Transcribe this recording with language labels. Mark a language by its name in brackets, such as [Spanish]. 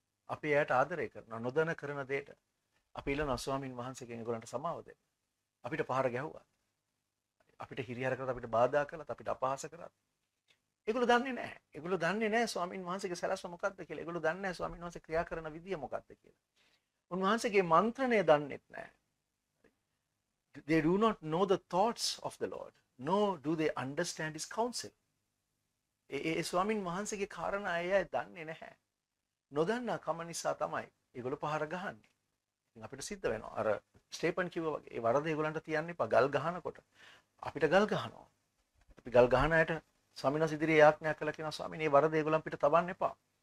[Sinhala] අපි එයාට ආදරය කරනවා. නොදැන කරන දෙයට අපි ඊළඟ ස්වාමීන් වහන්සේගෙන් ඒගොල්ලන්ට සමාව දෙන්න. අපිට පහර ගැහුවා. අපිට හිරිහැර කළා, අපිට බාධා කළා, අපිට අපහාස කළා. ඒගොල්ලෝ දන්නේ නැහැ. ඒගොල්ලෝ දන්නේ නැහැ ස්වාමීන් වහන්සේගේ සැලැස්ම මොකද්ද කියලා. ඒගොල්ලෝ දන්නේ නැහැ ස්වාමීන් වහන්සේ ක්‍රියා කරන විදිය මොකද්ද කියලා. උන්වහන්සේගේ මන්ත්‍රණය දන්නේත් නැහැ. [English] They do not know the thoughts of the Lord. Nor do they understand his counsel. [Sinhala] ඒ ස්වාමීන් වහන්සේගේ කාරණා අය දන්නේ නැහැ. නොදන්නා කම නිසා තමයි ඒගොල්ලෝ පහර ගහන්නේ. ඉතින් අපිට සිද්ධ වෙනවා. අර ස්ටේපන් කිව්වා වගේ ඒ වරද ඒගොල්ලන්ට තියන්න එපා ගල් ගහනකොට. අපිට ගල් ගහනවා. අපි ගල් ගහන අයට ස්වාමීන් වහන්සේ ඉදිරියේ යාඥා කළා කියලා ස්වාමීන් මේ වරද ඒගොල්ලන් පිට තබන්න එපා.